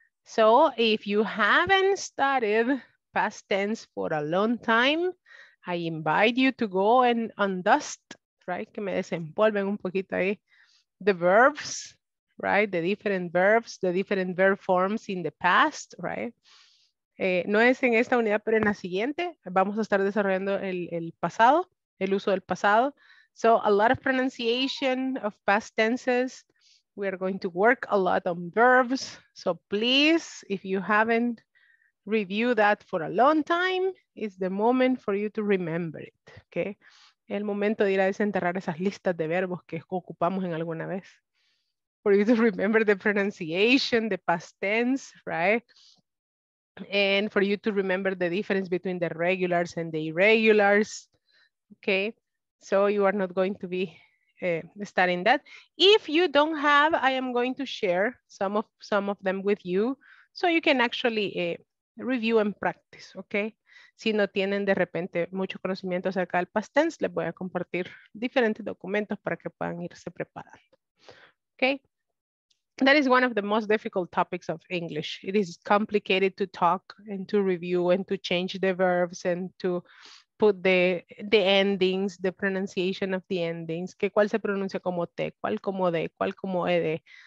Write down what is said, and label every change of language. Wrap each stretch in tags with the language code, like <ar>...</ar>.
<en>So if you haven't studied past tense for a long time, I invite you to go and undust, right?</en> <es>Que me desempolven un poquito ahí.</es> <en>The verbs, right? The different verbs, the different verb forms in the past, right?</en> <es>No es en esta unidad, pero en la siguiente. Vamos a estar desarrollando el pasado, el uso del pasado.</es> <en>So a lot of pronunciation of past tenses. We are going to work a lot on verbs. So please, if you haven't reviewed that for a long time, it's the moment for you to remember it, okay?</en> <es>El momento de ir a desenterrar esas listas de verbos que ocupamos en alguna vez.</es> <en>For you to remember the pronunciation, the past tense, right? And for you to remember the difference between the regulars and the irregulars, okay? So you are not going to be studying that. If you don't have, I am going to share some of them with you So you can actually review and practice, okay?</en> <es>Si no tienen de repente mucho conocimiento acerca del past tense, les voy a compartir diferentes documentos para que puedan irse preparando, okay?</es> <en>That is one of the most difficult topics of English. It is complicated to talk and to review and to change the verbs and to put the endings, the pronunciation of the endings.</en> <es>Que cuál se pronuncia como T, cuál como D, cuál como ED.</es>